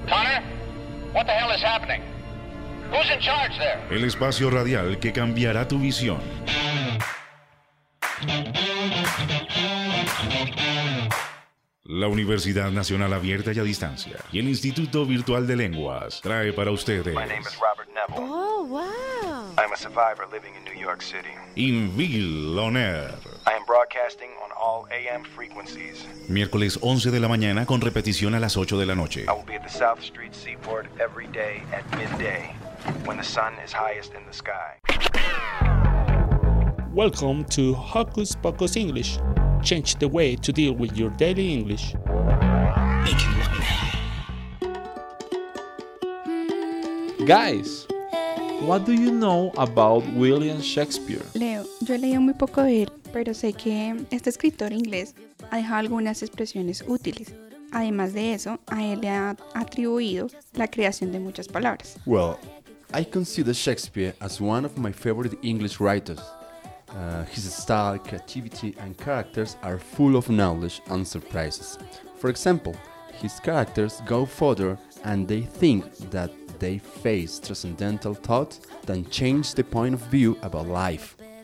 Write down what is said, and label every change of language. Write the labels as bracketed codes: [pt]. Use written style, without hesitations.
[en] Connor, what the hell is happening? Who's in charge there? [es] El espacio radial que cambiará tu visión. La Universidad Nacional Abierta y a Distancia y el Instituto Virtual de Lenguas trae para ustedes. [en] My name is Robert Neville. Oh, wow. I'm a survivor living in New York City. Inville on Air. I am broadcasting on all AM frequencies. [es] Miércoles 11 de la mañana con repetición a las 8 de la noche. [en] I will be at the South Street Seaport every day at midday when the sun is highest in the sky. Welcome to Hocus Pocus English. Change the way to deal with your daily English. Make it look bad. Guys, what do you know about William Shakespeare? [es] Leo, yo he leído muy poco de él, pero sé que este escritor inglés ha dejado algunas expresiones útiles. Además de eso, a él le ha atribuido la creación de muchas palabras. [en] Well, I consider Shakespeare as one of my favorite English writers. His style, creativity, and characters are full of knowledge and surprises. For example, his characters go further and they think that they face transcendental thoughts that change the point of view about life.